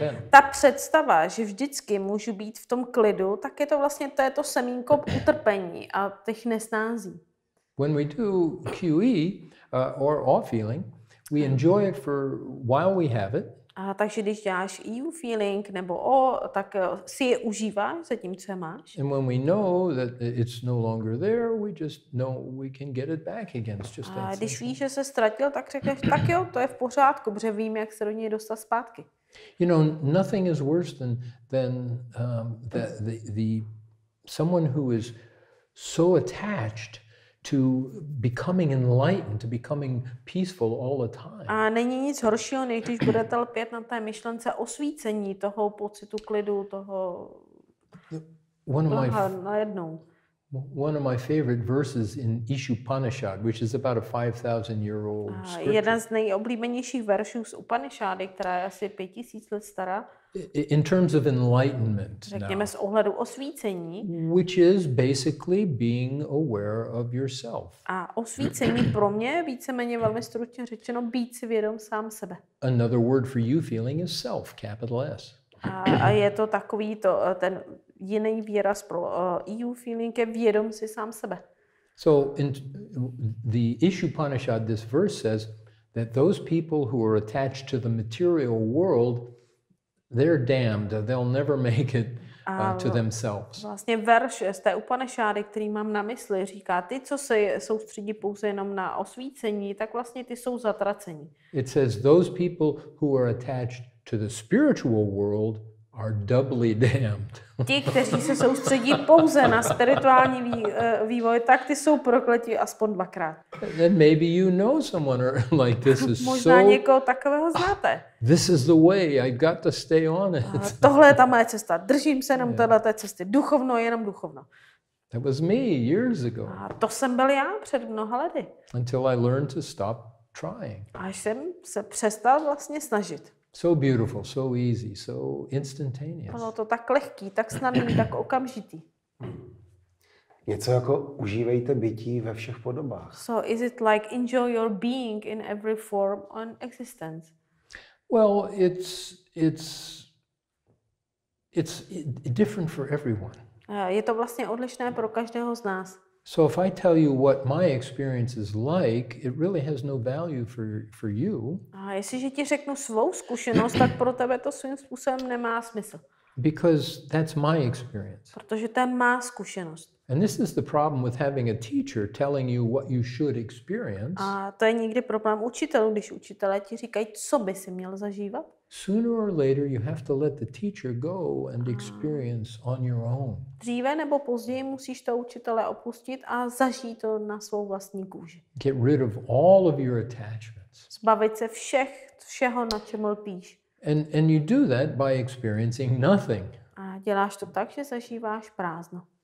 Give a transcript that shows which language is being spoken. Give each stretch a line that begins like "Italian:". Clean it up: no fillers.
Czech: Vlastně ta představa, že vždycky můžu být v tom klidu, tak je to vlastně to semínko utrpení a těch nesnází.
English: When we do QE or awe feeling, we enjoy it for while we have it.
Czech: A takže když děláš EU feeling nebo oh, tak si je užíváš za tím, co máš.
English: And when we know that it's no longer there, we just know we can get it back again. It's just
Czech: a když víš, že se ztratil, tak řekneš, tak jo, to je v pořádku, protože vím, jak se do něj dostat zpátky.
English: You know, nothing is worse than the someone who is so attached to becoming enlightened, to becoming peaceful all the time.
Czech: A není nic horšího, než když budete lpět na té myšlence osvícení toho pocitu klidu, toho
English: One of my favorite verses in Ishupanishad, which is about a 5,000-year-old scripture.
Czech: Jeden z nejoblíbenějších veršů z Upanishady, která je asi 5000 let stará.
English: In terms of enlightenment,
Czech: řekněme z ohledu osvícení,
English: which is basically being aware of yourself.
Czech: A osvícení pro mě je víceméně velmi stručně řečeno být si vědom sám sebe.
English: Another word for you feeling is self, capital S.
Czech: A je to takový to ten jiný výraz pro EU feeling je vědom si sám sebe.
English: So in the Ishupanishad, this verse says that those people who are attached to the material world, they're damned. They'll never make it to themselves.
Czech: Vlastně verš z té Upanishády, který mám na mysli, říká, ty, co se soustředí pouze jenom na osvícení, tak vlastně ty jsou zatraceni.
English: It says those people who are attached to the spiritual world, are doubly damned.
Czech: Ti, kteří se soustředí pouze na spirituální vývoj, tak ty jsou prokleti aspoň dvakrát.
English: Then maybe you know someone like this is so.
Czech: Možná někoho takového znáte.
English: This is the way. I've got to stay on it.
Czech: Tohle je ta moje cesta. Držím se jenom téhle té cesty. Duchovno, jenom duchovno.
English: That was me years ago.
Czech: A to jsem byl já před mnoha lety.
English: Until I learned to stop trying.
Czech: Až jsem se přestal vlastně snažit.
English: So beautiful, so easy, so instantaneous.
Czech: Ono to tak lehký, tak snadný, tak okamžitý. Něco jako užívejte bytí ve všech podobách.
English: So is it like enjoy your being in every form on existence? Well, it's different for everyone.
Czech: Je to vlastně odlišné pro každého z nás.
English: So if I tell you what my experience is like, it really has no value for you.
Czech: A jestliže ti řeknu svou zkušenost, tak pro tebe to svým způsobem nemá smysl.
English: Because that's my experience.
Czech: Protože to je má zkušenost.
English: And this is the problem with having a teacher telling you what you should experience.
Czech: A to je někdy problém učitelů, když učitelé ti říkají, co by si měl zažívat.
English: Sooner or later you have to let the teacher go and experience on your own.
Czech: Dříve nebo později musíš to učitele opustit a zažít to na svou vlastní kůži.
English: Get rid of all of your attachments.
Czech: Zbavit se všeho, na čem lpíš.
English: And you do that by experiencing nothing.
Czech: A děláš to tak, že zažíváš prázdno.